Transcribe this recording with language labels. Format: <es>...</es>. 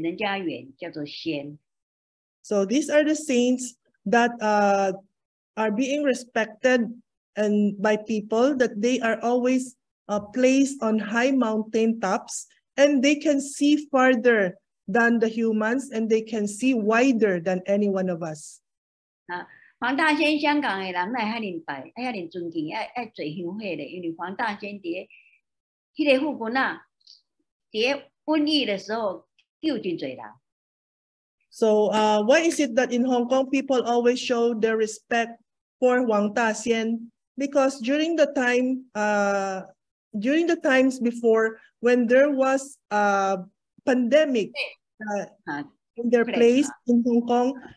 <nan>那就是仙哦，仙是站在高高的山上，啊，做的比人家多，看的比人家远，叫做仙。</nan> <en>So these are the saints that are being respected and by people that they are always placed on high mountain tops and they can see farther than the humans and they can see wider than any one of us.</en> <nan>黄大仙香港的人那还恁拜，还恁尊敬，爱爱做香火的，因为黄大仙在迄个附近啊，在瘟疫的时候救真侪人。</nan> <en>So why is it that in Hong Kong people always show their respect for 黄大仙? Because during the time during the times before when there was a pandemic in their place in Hong Kong.</en>